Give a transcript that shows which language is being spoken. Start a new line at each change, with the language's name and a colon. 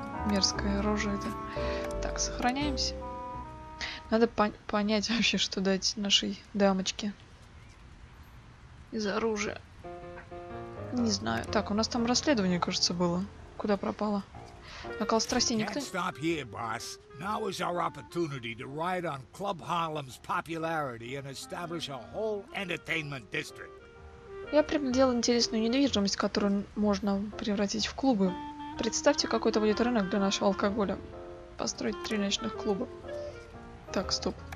Russian: Мерзкая рожа это. Так, сохраняемся. Надо понять вообще, что дать нашей дамочке. Из оружия. Не знаю. Так, у нас там расследование, кажется, было. Куда пропало? Накал страсти никто...
English: Не stop here, boss. Now is our opportunity to ride on Club Harlem's popularity and establish a whole entertainment district.
Russian: Я приобрел интересную недвижимость, которую можно превратить в клубы. Представьте, какой-то будет рынок для нашего алкоголя. Построить 3 ночных клуба. Так, стоп.